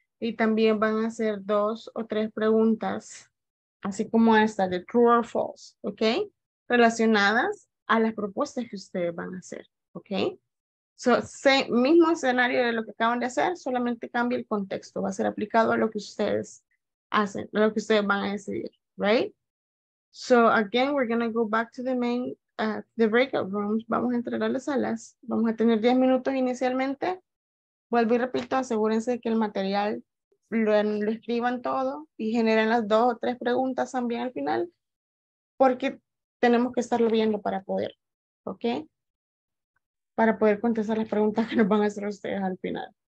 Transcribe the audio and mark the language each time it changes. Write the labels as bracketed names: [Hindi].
[Spanish] Y también van a hacer dos o tres preguntas, así como esta, de true or false. ¿Ok? Relacionadas a las propuestas que ustedes van a hacer. ¿Ok? So, mismo escenario de lo que acaban de hacer, solamente cambia el contexto. Va a ser aplicado a lo que ustedes hacen, a lo que ustedes van a decidir, right? [English] So, again, we're going to go back to the main, the breakout rooms. [Spanish] Vamos a entrar a las salas. Vamos a tener 10 minutos inicialmente. Vuelvo y repito, asegúrense de que el material lo escriban todo y generen las dos o tres preguntas también al final, porque tenemos que estarlo viendo para poder, ¿ok? Para poder contestar las preguntas que nos van a hacer ustedes al final.